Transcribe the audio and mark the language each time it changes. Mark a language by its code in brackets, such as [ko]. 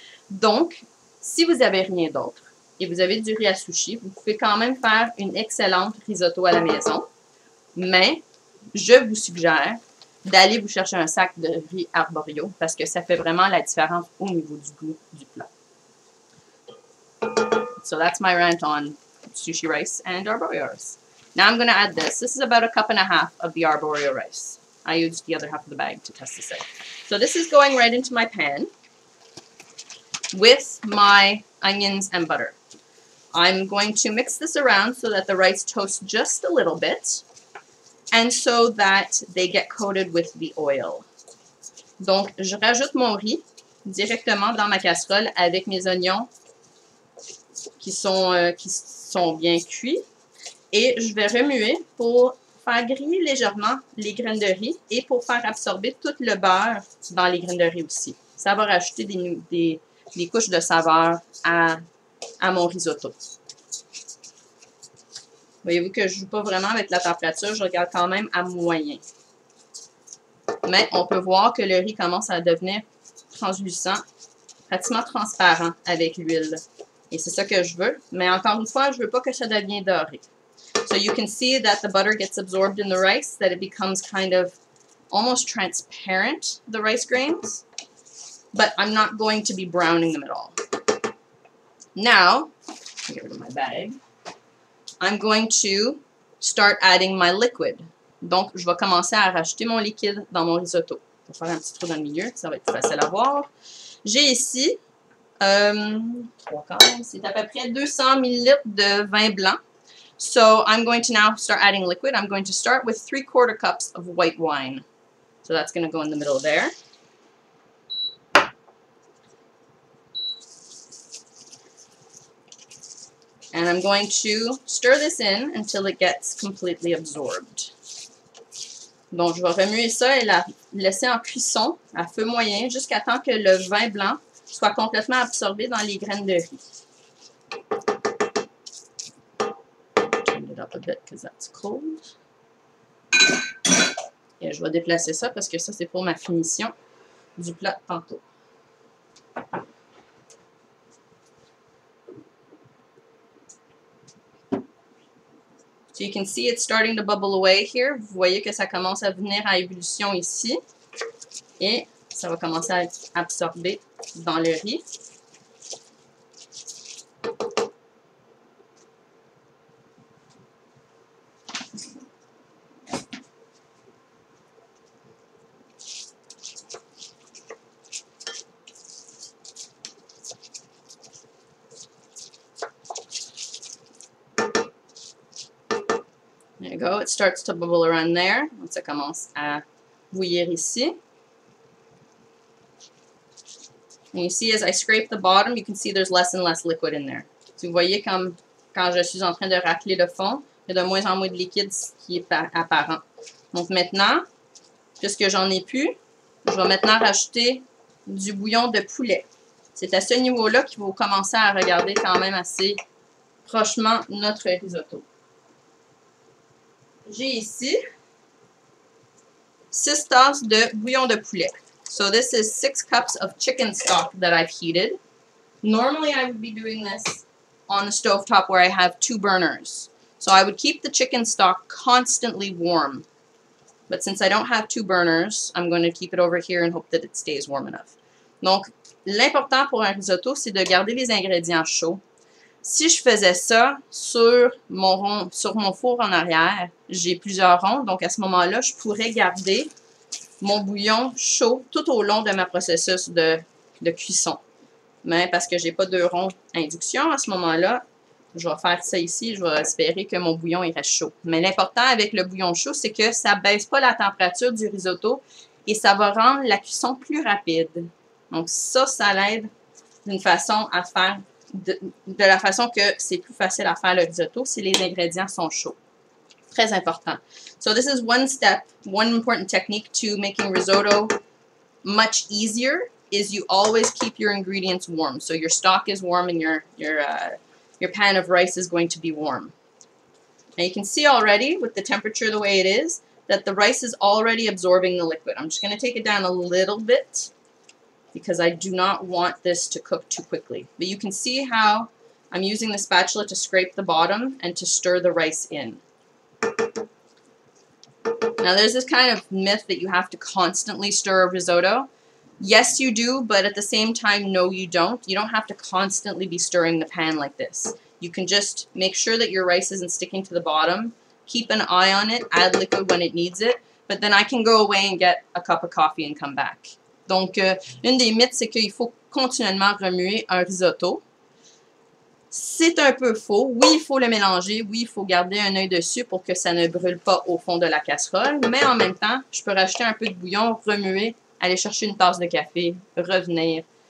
[fr] Donc, si vous n'avez rien d'autre et vous avez du riz à sushi, vous pouvez quand même faire une excellente risotto à la maison. Mais je vous suggère d'aller vous chercher un sac de riz arborio parce que ça fait vraiment la différence au niveau du goût du plat. [en] So that's my rant on sushi rice and arborios. Now I'm going to add this. This is about a cup and a half of the arborio rice. I used the other half of the bag to test this out. So this is going right into my pan with my onions and butter. I'm going to mix this around so that the rice toasts just a little bit and so that they get coated with the oil. [fr] Donc, je rajoute mon riz directement dans ma casserole avec mes oignons qui sont bien cuits et je vais remuer pour faire griller légèrement les graines de riz et pour faire absorber tout le beurre dans les graines de riz aussi. Ça va rajouter des couches de saveur à mon risotto. Voyez-vous que je ne joue pas vraiment avec la température, je regarde quand même à moyen. Mais on peut voir que le riz commence à devenir translucent, pratiquement transparent avec l'huile. Et c'est ça que je veux. Mais encore une fois, je ne veux pas que ça devienne doré. [en] So you can see that the butter gets absorbed in the rice, that it becomes kind of almost transparent, the rice grains. But I'm not going to be browning them at all. Now, get rid of my bag. I'm going to start adding my liquid. [fr] Donc, je vais commencer à rajouter mon liquide dans mon risotto. Je vais faire un petit trou dans le milieu, ça va être plus facile à voir. J'ai ici, c'est à peu près 200 ml de vin blanc. [en] So, I'm going to now start adding liquid. I'm going to start with 3/4 cups of white wine. So, that's going to go in the middle there. And I'm going to stir this in until it gets completely absorbed. [fr] Donc, je vais remuer ça et la laisser en cuisson à feu moyen jusqu'à temps que le vin blanc soit complètement absorbé dans les graines de riz. [en] Up a bit because that's cold. [fr] Et je vais déplacer ça parce que ça, c'est pour ma finition du plat de tantôt. [en] So you can see it's starting to bubble away here. [fr] Vous voyez que ça commence à venir à ébullition ici et ça va commencer à être absorbé dans le riz. [en] It starts to bubble around there. [fr] Donc, ça commence à bouillir ici. [en] And you see, as I scrape the bottom, you can see there's less and less liquid in there. [fr] So, vous voyez, quand je suis en train de racler le fond, il y a de moins en moins de liquide qui est apparent. Donc, maintenant, puisque j'en ai plus, je vais maintenant rajouter du bouillon de poulet. C'est à ce niveau-là qu'il faut commencer à regarder quand même assez prochement notre risotto. J'ai ici 6 tasses de bouillon de poulet. [en] So this is 6 cups of chicken stock that I've heated. Normally I would be doing this on the stovetop where I have 2 burners. So I would keep the chicken stock constantly warm. But since I don't have 2 burners, I'm going to keep it over here and hope that it stays warm enough. [fr] Donc, l'important pour un risotto, c'est de garder les ingrédients chauds. Si je faisais ça sur mon four en arrière, j'ai plusieurs ronds, donc à ce moment-là, je pourrais garder mon bouillon chaud tout au long de ma processus de cuisson. Mais parce que j'ai pas deux ronds induction à ce moment-là, je vais faire ça ici, je vais espérer que mon bouillon il reste chaud. Mais l'important avec le bouillon chaud, c'est que ça baisse pas la température du risotto et ça va rendre la cuisson plus rapide. Donc ça, ça l'aide d'une façon à faire, de la façon que c'est plus facile à faire le risotto si les ingrédients sont chauds. Très important. [en] So this is one step, one important technique to making risotto much easier is you always keep your ingredients warm. So your stock is warm and your pan of rice is going to be warm. Now you can see already with the temperature the way it is that the rice is already absorbing the liquid. I'm just going to take it down a little bit because I do not want this to cook too quickly. But you can see how I'm using the spatula to scrape the bottom and to stir the rice in. Now there's this kind of myth that you have to constantly stir a risotto. Yes, you do, but at the same time, no, you don't. You don't have to constantly be stirring the pan like this. You can just make sure that your rice isn't sticking to the bottom. Keep an eye on it, add liquid when it needs it, but then I can go away and get a cup of coffee and come back. [fr] Donc, une des mythes, c'est qu'il faut continuellement remuer un risotto. C'est un peu faux. Oui, il faut le mélanger. Oui, il faut garder un œil dessus pour que ça ne brûle pas au fond de la casserole. Mais en même temps, je peux rajouter un peu de bouillon, remuer, aller chercher une tasse de café, revenir.